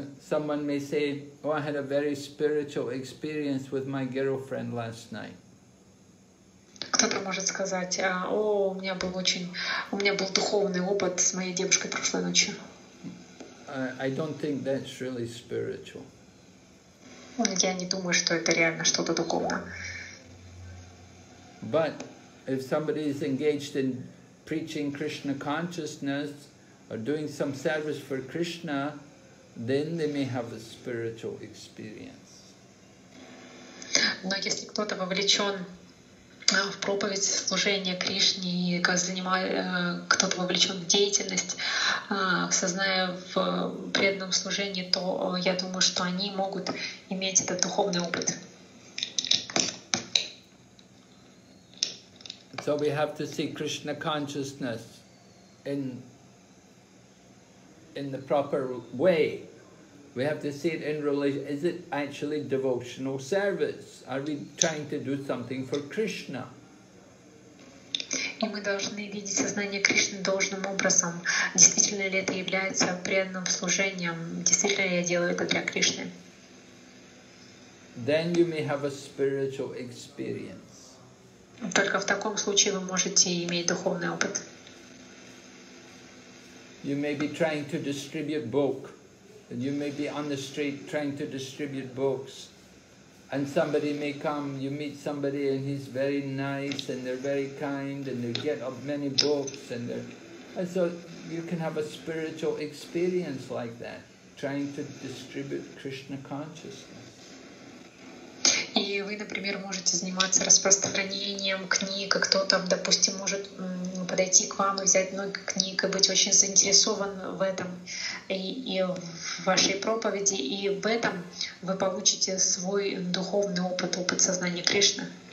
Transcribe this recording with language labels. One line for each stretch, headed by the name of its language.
English: Someone may say, "Oh, I had a very spiritual experience with my girlfriend last night."
Russian: Кто-то может сказать, у меня был духовный опыт с моей девушкой прошлой ночью.
English: I don't think that's really spiritual.
Russian: Я не думаю, что это реально что-то духовное.
English: But if somebody is engaged in preaching Krishna consciousness or doing some service for Krishna, then they may have a spiritual experience.
Russian: Но если кто-то вовлечен в проповедь служения Кришне, и кто-то вовлечен в деятельность, сознание в преданном служении, то я думаю, что они могут иметь этот духовный опыт.
English: So we have to see Krishna consciousness in the proper way. We have to see it in relation. Is it actually devotional service? Are we trying to do something for Krishna?
Russian: И мы должны видеть сознание Кришны должным образом. Действительно ли это является преданным служением? Действительно ли я делаю это для Кришны?
English: Then you may have a spiritual experience.
Russian: Только в таком случае вы можете иметь духовный опыт.
English: You may be trying to distribute book. You may be on the street trying to distribute books. And somebody may come, you meet somebody and he's very nice and they're very kind and they get up many books and so you can have a spiritual experience like that, trying to distribute Krishna consciousness.
Russian: И вы, например, можете заниматься распространением книг, кто-то, допустим, может подойти к вам и взять много книг и быть очень заинтересован в этом и в вашей проповеди, и в этом вы получите свой духовный опыт, опыт сознания Кришны.